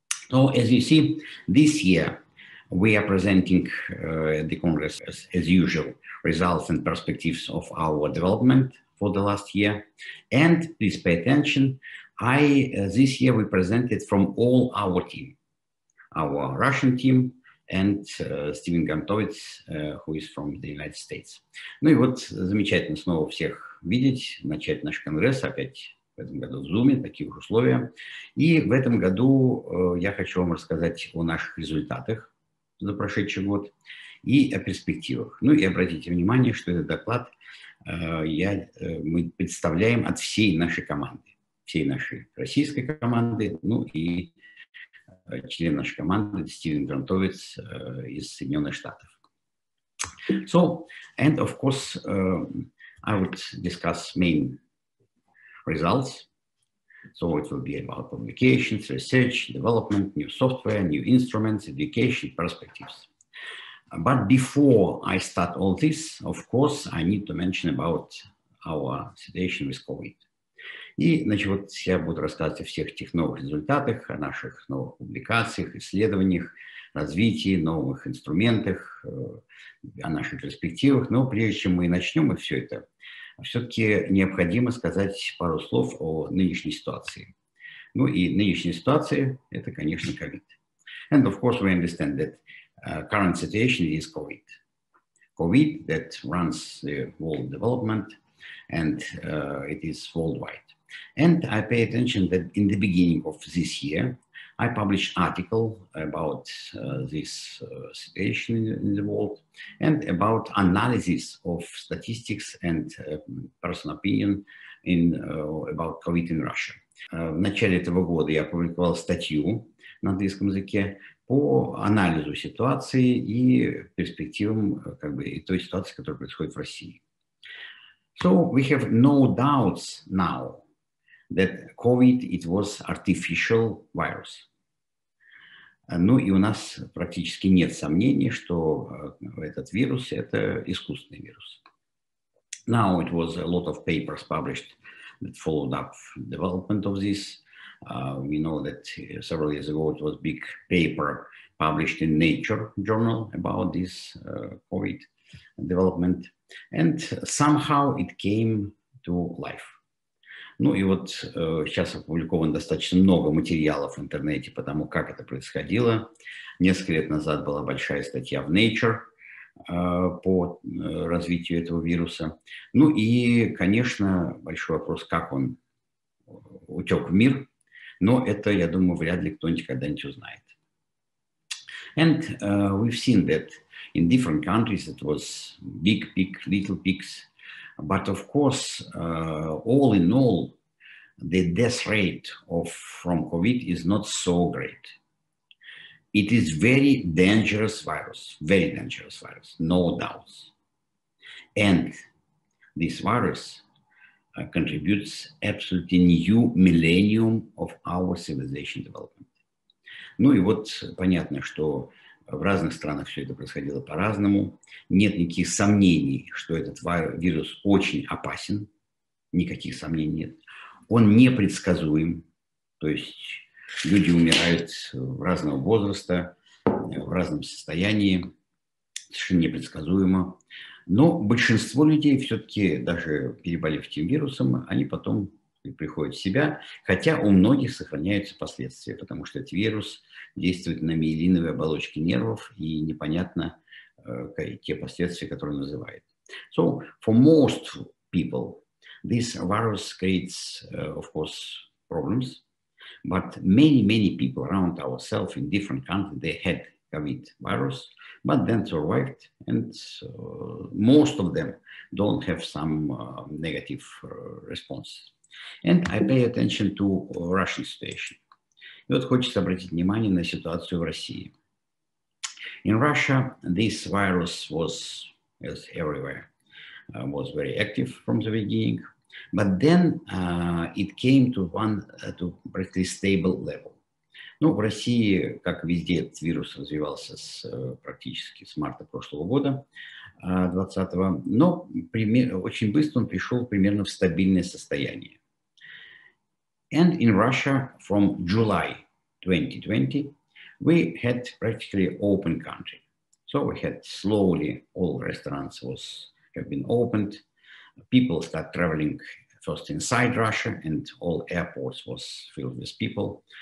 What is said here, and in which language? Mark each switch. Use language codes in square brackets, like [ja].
[en] So as you see, this year we are presenting the Congress as usual, results and perspectives of our development for the last year. And please pay attention, this year we presented from all our team, our Russian team, and Стивен Гантовиц, who is from the United States. [ru] Ну и вот замечательно снова всех видеть, начать наш конгресс опять в этом году в Zoom, такие уж условия. И в этом году я хочу вам рассказать о наших результатах за прошедший год и о перспективах. Ну и обратите внимание, что этот доклад мы представляем от всей нашей команды, всей нашей российской команды, ну и член нашей команды Стивен Грантовиц из Соединенных Штатов. [en] So, and of course, I would discuss main results. So it will be about publications, research, development, new software, new instruments, education, perspectives. But before I start all this, of course, I need to mention about our situation with COVID. [ru] И, значит, вот я буду рассказывать о всех этих новых результатах, о наших новых публикациях, исследованиях, развитии, новых инструментах, о наших перспективах. Но прежде чем мы начнем и все это, все-таки необходимо сказать пару слов о нынешней ситуации. Ну и нынешняя ситуация – это, конечно, COVID. [en] And of course, we understand that current situation is COVID. COVID that runs the world development and it is worldwide. And I pay attention that in the beginning of this year, I published article about this situation in the world and about analysis of statistics and personal opinion in about COVID in Russia. [ru] В начале этого года я опубликовал статью на английском языке по анализу ситуации и перспективам как бы той ситуации, которая происходит в России. [en] So we have no doubts now that COVID, it was artificial virus. [ru] Ну и у нас практически нет сомнений, что этот вирус – это искусственный вирус. [en] Now it was a lot of papers published that followed up development of this. We know that several years ago it was a big paper published in Nature journal about this COVID development. And somehow it came to life. [ru] Ну и вот сейчас опубликовано достаточно много материалов в интернете по тому, как это происходило. Несколько лет назад была большая статья в Nature по развитию этого вируса. Ну и, конечно, большой вопрос, как он утек в мир. Но это, я думаю, вряд ли кто-нибудь когда-нибудь узнает. [en] And we've seen that in different countries it was big peak, little peaks. But of course, all in all, the death rate from COVID is not so great. It is very dangerous virus, very dangerous virus, no doubts. And this virus contributes absolutely new millennium of our civilization development. [ru] Ну и вот понятно, что в разных странах все это происходило по-разному. Нет никаких сомнений, что этот вирус очень опасен. Никаких сомнений нет. Он непредсказуем. То есть люди умирают в разного возраста, в разном состоянии. Совершенно непредсказуемо. Но большинство людей все-таки, даже переболев этим вирусом, они потом приходят в себя, хотя у многих сохраняются последствия, потому что этот вирус действует на миелиновые оболочки нервов, и непонятно те последствия, которые он вызывает. [en] So, for most people, this virus creates, of course, problems, but many, many people around ourselves in different countries, they had COVID virus, but then survived, and most of them don't have some negative response. And I pay attention to Russian situation. [ru] И вот хочется обратить внимание на ситуацию в России. [en] In Russia, this virus was, as everywhere, was very active from the beginning, but then it came to one to practically stable level. [ru] Ну, в России, как везде, этот вирус развивался с, практически с марта прошлого года, 20-го, но очень быстро он пришел примерно в стабильное состояние. [en] And in Russia, from July 2020, we had practically open country. So we had slowly all restaurants was have been opened. People start traveling first inside Russia and all airports was filled with people.